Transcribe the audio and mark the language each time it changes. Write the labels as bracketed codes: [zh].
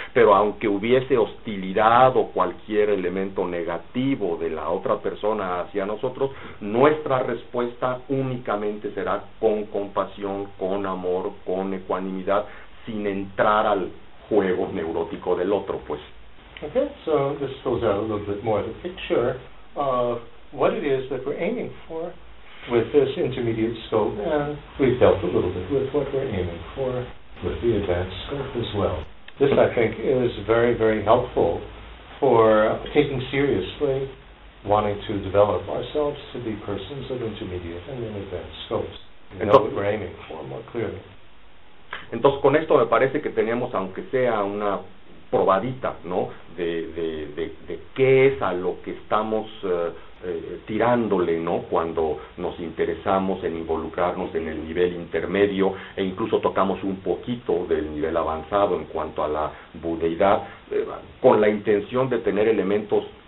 [es] Pero aunque hubiese hostilidad o cualquier elemento negativo de la otra persona hacia nosotros, nuestra respuesta únicamente será con compasión, con amor, con ecuanimidad, sin entrar al juego neurótico del otro, pues. [en] Okay, so this fills out a little bit more of the picture of what it is that we're aiming for with this intermediate scope, and we've dealt a little bit with what we're aiming for with the advanced scope as well. This, I think, is very, very helpful for taking seriously wanting to develop ourselves to be persons of intermediate and then advanced scopes. We know what we're aiming for more clearly. [es] Entonces, con esto me parece que tenemos, aunque sea una probadita, ¿no? De qué es a lo que estamos tirándole, ¿no? Cuando nos interesamos en involucrarnos en el nivel intermedio e incluso tocamos un poquito del nivel avanzado en cuanto a la budeidad, con la intención de tener elementos